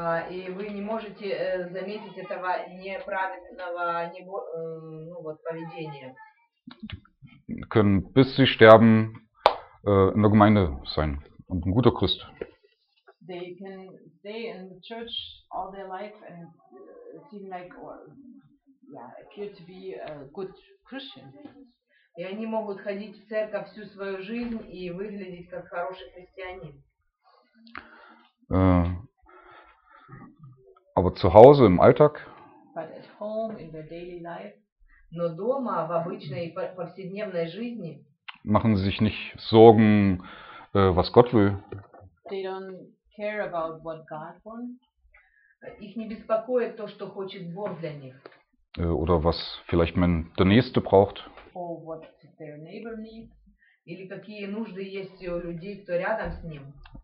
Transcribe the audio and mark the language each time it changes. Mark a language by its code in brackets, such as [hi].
[ru] И вы не можете заметить этого неправильного поведения. [de] Können bis sie sterben in der Gemeinde sein und ein guter Christ. [en] They can stay in the church all their life and seem like or yeah, appear to be a good Christian. [ru] И они могут ходить в церковь всю свою жизнь и выглядеть как хороший христианин. [de] Aber zu Hause im Alltag, [en] but at home, in their daily life, [ru] но дома, в обычной повседневной жизни, [de] machen sie sich nicht Sorgen, was Gott will. [en] They don't care about what God wants. [ru] Их не беспокоит то, что хочет Бог для них. [de] Oder was vielleicht der Nächste braucht. [en] Or what their neighbor needs. [ru] Или какие нужды есть у людей, кто рядом с ним.